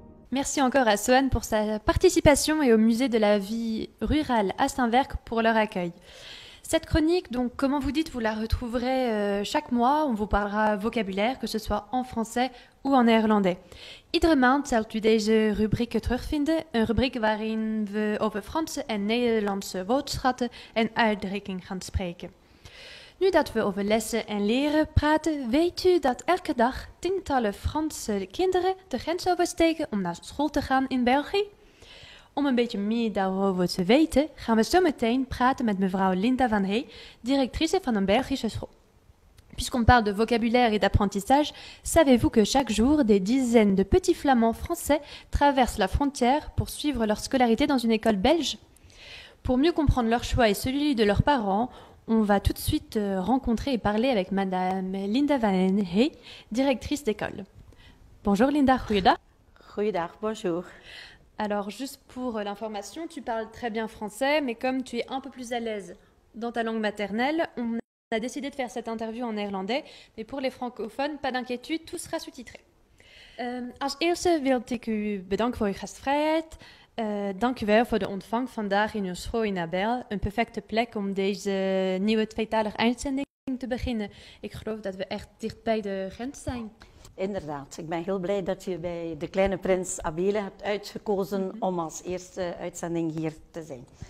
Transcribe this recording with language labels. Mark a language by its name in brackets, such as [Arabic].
[French] Merci encore à Sohan pour sa participation et au musée de la vie rurale à Steinwerk pour leur accueil. Cette chronique, donc, comment vous dites, vous la retrouverez chaque mois. On vous parlera vocabulaire, que ce soit en français ou en néerlandais. [Dutch] Iedermaand zult u deze rubriek terugvinden. Een rubriek waarin we over Franse en Nederlandse woordschatten en uitdrukkingen gaan spreken. Nu dat we over lessen en leren praten, weet u dat elke dag tientallen Franse kinderen de grens oversteken om naar school te gaan in België? Om een beetje meer daarover te weten, gaan we zo meteen praten met mevrouw Linda van Hey, directrice van een Belgische school. [French] Puisqu'on parle de vocabulaire et d'apprentissage, savez-vous que chaque jour, des dizaines de petits flamands français traversent la frontière pour suivre leur scolarité dans une école belge? Pour mieux comprendre leur choix et celui de leurs parents, on va tout de suite rencontrer et parler avec madame Linda van Hey, directrice d'école. Bonjour Linda, goeiedag. [Dutch] Goeiedag, bonjour. [French] Alors, juste pour l'information, tu parles très bien français, mais comme tu es un peu plus à l'aise dans ta langue maternelle, on a décidé de faire cette interview en néerlandais. Mais pour les francophones, pas d'inquiétude, tout sera sous-titré. [Dutch] Als eerste wil ik u bedanken voor uw gastvrijheid. Dank u wel voor de ontvang vandaag in uw school in Abel. Een perfecte plek om deze nieuwe tweetalige uitzending te beginnen. Ik geloof dat we echt dicht bij de grens zijn. Inderdaad, ik ben heel blij dat je bij De Kleine Prins Abele hebt uitgekozen om als eerste uitzending hier te zijn.